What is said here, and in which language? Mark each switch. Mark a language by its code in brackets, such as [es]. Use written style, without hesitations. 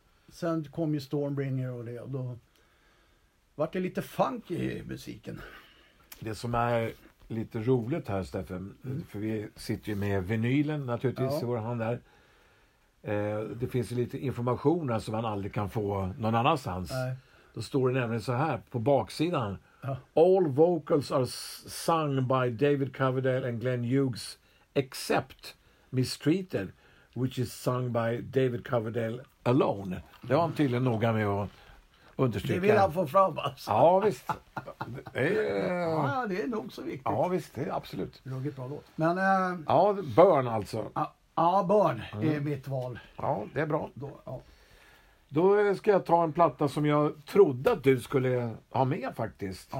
[sv] Sen kom ju Stormbringer och det, och då var det lite funk i musiken. Det som är lite roligt här, Steffen, för vi sitter ju med vinylen naturligtvis i vår hand där. Det finns ju lite information här som man aldrig kan få någon annanstans. Nej. Då står det nämligen så här på baksidan. [en] All vocals are sung by David Coverdale and Glenn Hughes except Mistreated, which is sung by David Coverdale alone. [sv] Det har han tydligen noga med att understryka. Det vill han få fram alltså. Ja, visst. Det är nog så viktigt. Ja, visst. Det är absolut. Det är nog ett bra låt. Men, ja, Burn alltså. Ja, Burn är mitt val. Ja, det är bra. Då, ja. Då ska jag ta en platta som jag trodde att du skulle ha med faktiskt.